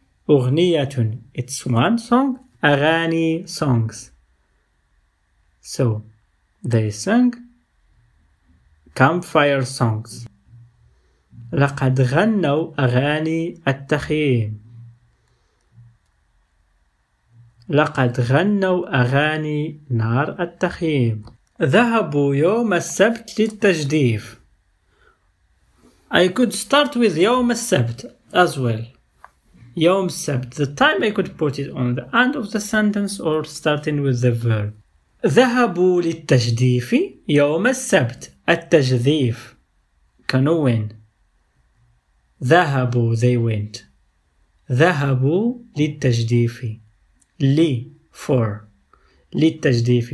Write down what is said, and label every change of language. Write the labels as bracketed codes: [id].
[en] أغنية it's one song أغاني songs so they sang campfire songs [ar] لقد غنوا أغاني التخييم لقد غنوا أغاني نار التخييم ذهبوا يوم السبت للتجديف [en] I could start with [ar] يوم السبت [en] as well. [ar] يوم السبت. [en] The time I could put it on the end of the sentence or starting with the verb. [ar] ذهبوا للتجديف يوم السبت. التجديف كانوا وين؟ ذهبوا, [en] they went. [ar] ذهبوا للتجديف, لي [en] for, [ar] للتجديف.